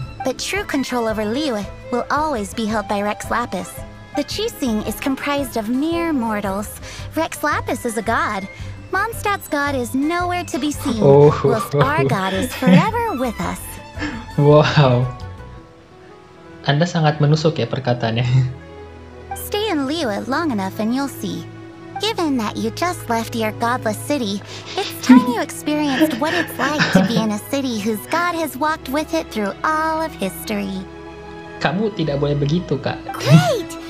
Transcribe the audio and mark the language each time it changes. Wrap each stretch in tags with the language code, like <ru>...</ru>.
<en>But true control over Liyue will always be held by Rex Lapis. The Qixing is comprised of mere mortals. Rex Lapis is a god. Mondstadt's god is nowhere to be seen, whilst our god is forever with us. Wow.</en> <id>Anda sangat menusuk ya perkataannya.</id> <en>Stay in Liyue long enough and you'll see. Given that you just left your godless city, it's time you experienced what it's like to be in a city whose god has walked with it through all of history.</en> <id>Kamu tidak boleh begitu, Kak.</id> <en>Great!</en>